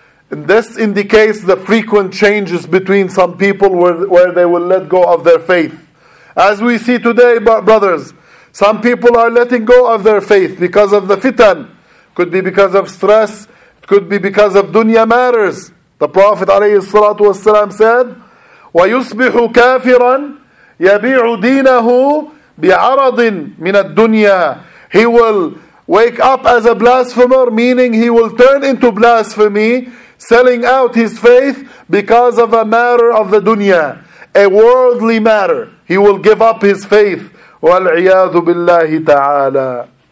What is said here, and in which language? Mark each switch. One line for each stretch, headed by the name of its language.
English: And this indicates the frequent changes between some people where they will let go of their faith. As we see today, brothers, some people are letting go of their faith because of the fitan. Could be because of stress, it could be because of dunya matters. The Prophet ﷺ said,
Arabic: وَيُصْبِحُ كَافِرًا يَبِيعُ دِينَهُ بِعَرَضٍ مِنَ الدُّنْيَا.
English: He will wake up as a blasphemer, meaning he will turn into blasphemy, selling out his faith because of a matter of the dunya, a worldly matter. He will give up his faith.
Arabic: وَالْعِيَاذُ بِاللَّهِ تَعَالَى.